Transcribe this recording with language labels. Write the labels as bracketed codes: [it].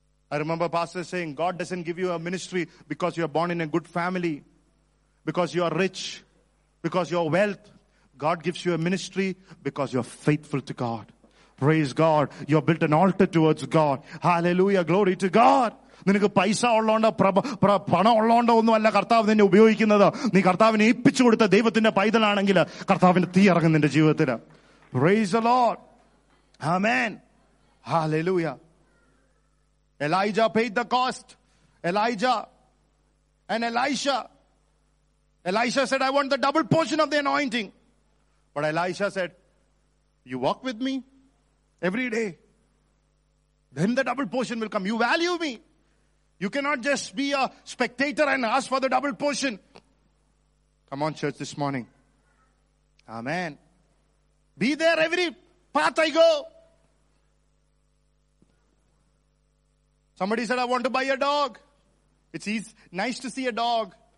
[en] I remember pastor saying, God doesn't give you a ministry because you are born in a good family, because you are rich, because you are wealth. God gives you a ministry because you are faithful to God. Praise God. You have built an altar towards God. Hallelujah. Glory to God. [ml] നിനക്ക് പൈസ ഉള്ളതുകൊണ്ടോ പണം ഉള്ളതുകൊണ്ടോ ഒന്നുമല്ല കർത്താവ് നിന്നെ ഉപയോഗിക്കുന്നത്. നീ കർത്താവിനെ ഏൽപ്പിച്ചു കൊടുത്ത ദൈവത്തിന്റെ പൈതലാണെങ്കിൽ കർത്താവിന്റെ തീ ഇറങ്ങും നിന്റെ ജീവിതത്തിൽ. [en] Praise the Lord. Amen. Hallelujah. Elijah paid the cost. Elijah and Elisha. Elisha said, I want the double portion of the anointing. But Elisha said, you walk with me every day, then the double portion will come. You value me. You cannot just be a spectator and ask for the double portion. Come on, church, this morning. Amen. Be there every path I go. Somebody said, I want to buy a dog. It's nice to see a dog.